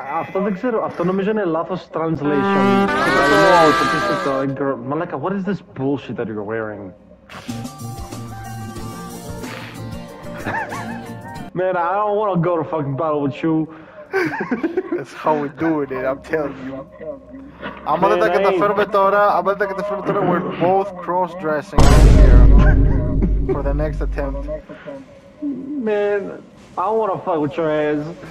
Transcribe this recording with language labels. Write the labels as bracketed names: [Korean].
[Greek] αυτό δεν ξέρω, αυτό νομίζω είναι λάθος translation. Wow, το πίστευτο, girl. [English] Μαλάκα, what is this bullshit that you're wearing? Man, I don't wanna go to fucking battle with you. That's how we do it, I'm telling you. [Greek] Άμα δεν τα καταφέρουμε τώρα, άμα δεν τα καταφέρουμε τώρα, [English] we're both cross-dressing right here. For the next attempt. Man, I don't wanna fuck with your ass.